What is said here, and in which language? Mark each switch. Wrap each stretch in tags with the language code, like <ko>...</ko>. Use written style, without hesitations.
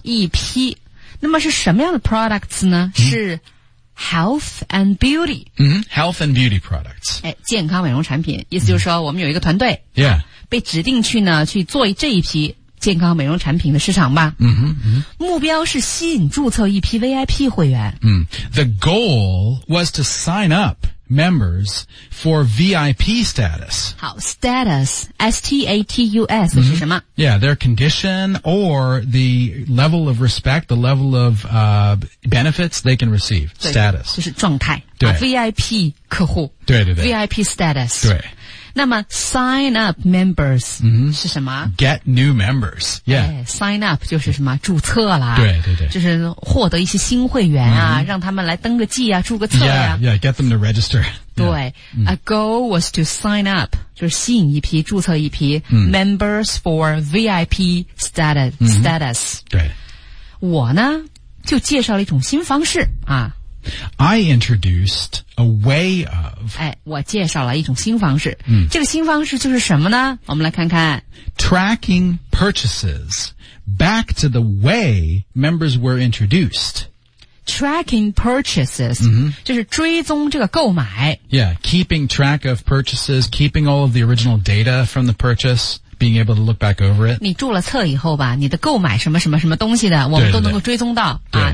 <zh>一批。那么是什么样的 products 呢、是</zh> <en>health and beauty、 health and beauty products</en> <zh>健康美容产品意思就是说我们有一个团队、被指定去呢去做这一批健康美容产品的市场吧、目标是吸引注册一批 VIP 会员、</zh> <en>The goal was to sign up members for VIP status</en> <zh>好 status S-T-A-T-U-S、是什么</zh> <en>Yeah, their condition or the level of respect the level of、benefits they can receive status</en> <zh>就是状态对、 VIP 客户对对对</zh> <en>VIP status</en> <zh>对那么 sign up members、是什么</zh> <en>get new members yeah、</en> <zh>sign up 就是什么注册啦对对对就是获得一些新会员啊、让他们来登个记啊注个册啊</zh> <en>get them to register</en> <zh>对、</zh> <en>yeah. a goal was to sign up</en> <zh>就是吸引一批注册一批、</zh> <en>members for VIP status、status</en> <zh>对我呢就介绍了一种新方式啊</zh> <en>I introduced a way of</en> <zh>我介绍了一种新方式、这个新方式就是什么呢我们来看看</zh> <en>Tracking purchases back to the way members were introduced Tracking purchases、</en> <zh>就是追踪这个购买</zh> <en>Yeah, keeping track of purchases keeping all of the original data from the purchase being able to look back over it.</en> <zh>你注了册以后吧，你的购买什么什么什么东西的，我们都能够追踪到啊。</zh>